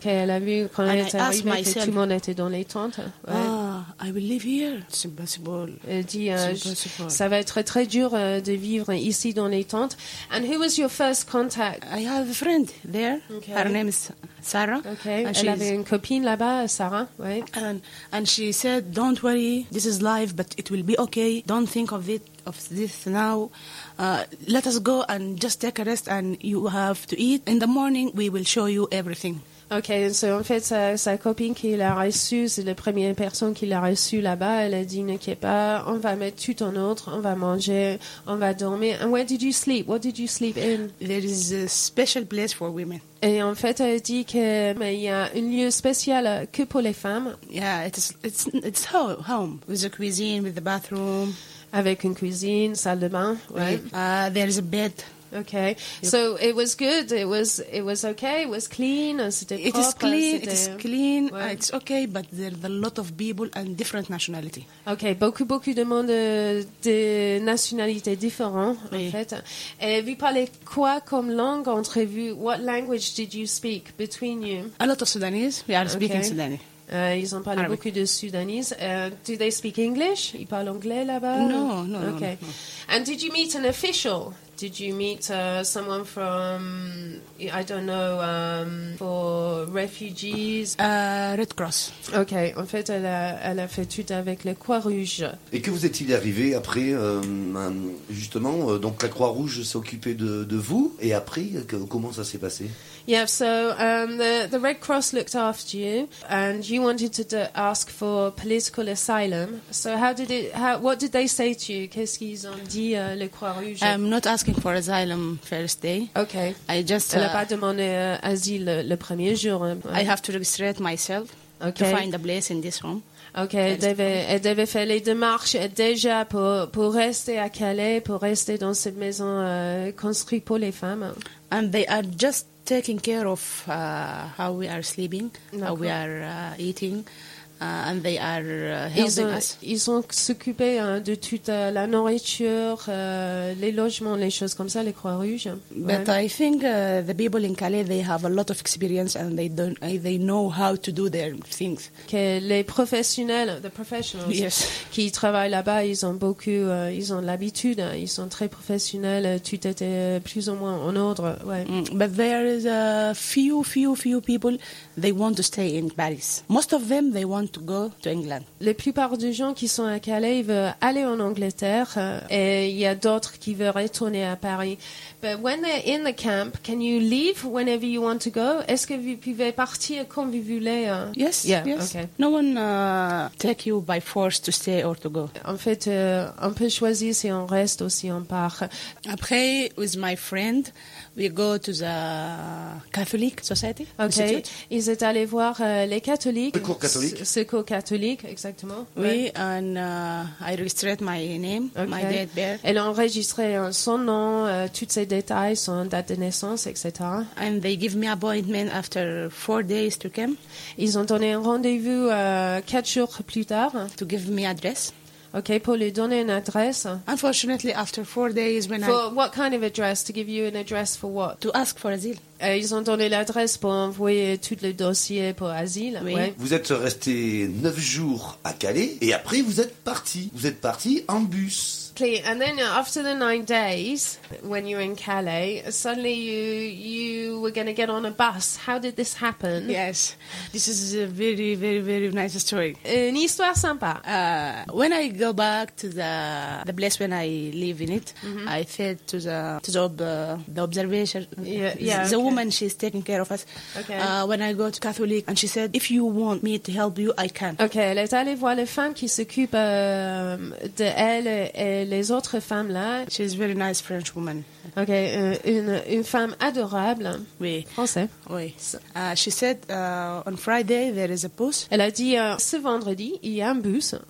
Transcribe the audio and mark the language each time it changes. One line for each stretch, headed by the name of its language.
French: Okay, elle a vu quand elle est arrivée que tout le monde était dans les tentes.
English: Ouais. Ah, I will live here. It's impossible.
French: Elle dit, ça va être très dur de vivre ici dans les tentes.
English: And who was your first contact? I have a friend there. Okay. Her name is Sarah.
French: Okay. And elle avait une copine là-bas, Sarah. Right.
English: And she said, don't worry, this is life, but it will be okay. Don't think of this now. Let us go and just take a rest and you have to eat. In the morning, we will show you everything.
French: Okay, so en fait, sa copine qui l'a reçue, c'est la première personne qui l'a reçue là-bas, elle a dit, n'inquiète pas, on va mettre tout en ordre, on va manger, on va dormir.
English: And where did you sleep? What did you sleep in? There is a special place for women.
French: Et en fait, elle dit qu'il y a un lieu spécial que pour les femmes.
English: Yeah, it's home, with the cuisine, with the bathroom.
French: Avec une cuisine, salle de bain, right?
English: There is a bed. Okay, so it was good. It was okay. It was clean. It is clean. It is clean. Ouais. It's okay, but there are a lot of people and different nationality.
French: Okay, beaucoup de monde de nationalités différentes en fait. Et vous parlez quoi comme langue entre vous?
English: What language did you speak between you? A lot of Sudanese. We are speaking Sudanese.
French: Ils ont parlé beaucoup de Sudanese.
English: Do they speak English?
French: Ils parlent anglais là-bas?
English: No. And did you meet an official? Did you meet someone from, I don't know, for refugees? Red Cross.
French: Okay, en fait, elle a fait tout avec la Croix-Rouge. Et que vous est-il arrivé après, justement, donc la Croix-Rouge s'est occupée de vous, et après, comment ça s'est passé?
English: Yeah, so the Red Cross looked after you, and you wanted to ask for political asylum. So what did they say to you?
French: Qu'est-ce qu'ils ont dit, le Croix-Rouge?
English: I'm not asking for asylum first day. Okay. I just.
French: Elle a pas demandé asile le premier jour. Hein?
English: I have to register myself to find a place in this home.
French: Okay, elle devait faire les démarches déjà pour rester à Calais, pour rester dans cette maison construite pour les femmes.
English: And they are just taking care of how we are sleeping, how we are eating, and they are helping us.
French: Ils ont s'occupé de toute la nourriture, les logements, les choses comme ça, les Croix-Rouges.
English: But I think the people in Calais, they have a lot of experience and they know how to do their things.
French: Que les professionnels,
English: the professionals, yes.
French: qui travaillent là-bas, ils ont beaucoup, ils ont l'habitude, ils sont très professionnels, tout était plus ou moins en ordre. Ouais.
English: But there is a few people, they want to stay in Paris. Most of them, they want to go to England.
French: La plupart des gens qui sont à Calais, ils veulent aller en Angleterre et il y a d'autres qui veulent retourner à Paris.
English: But when they're in the camp, can you leave whenever you want to go?
French: Est-ce que vous pouvez partir quand vous voulez?
English: Yes. Okay. No one take you by force to stay or to go.
French: En fait, on peut choisir si on reste ou si on part.
English: Après, with my friend, we go to the Catholic Society.
French: Okay. Ils étaient allés voir les catholiques. Le cours catholique. Ce cours catholique, exactement.
English: Oui, I registered my name, my date birth.
French: Elle a enregistré son nom, toutes ses détails, son date de naissance, etc.
English: And they give me appointment after 4 days to come.
French: Ils ont donné un rendez-vous 4 jours plus tard.
English: To give me address.
French: Okay, pour lui donner une adresse.
English: Unfortunately, after 4 days, what kind of address? To give you an address for what? To ask for asile.
French: Ils ont donné l'adresse pour envoyer tous les dossiers pour asile. Oui. Ouais. Vous êtes resté 9 jours à Calais et après vous êtes parti. Vous êtes parti en bus.
English: Okay, and then after the 9 days, when you were in Calais, suddenly you were going to get on a bus. How did this happen? Yes, this is a very, very, very nice story.
French: Une histoire sympa.
English: When I go back to the place when I live in it, mm-hmm. I said to the observation, the woman, she's taking care of us. Okay. When I go to Catholic, and she said, if you want me to help you, I can.
French: Okay, elle est allée voir les femmes qui s'occupent de elle et les autres femmes là.
English: She's a very nice French woman.
French: Okay, une femme adorable. Oui. Français. Oui.
English: She said, on Friday, there is a bus.
French: Elle a dit, ce vendredi, il y a un bus.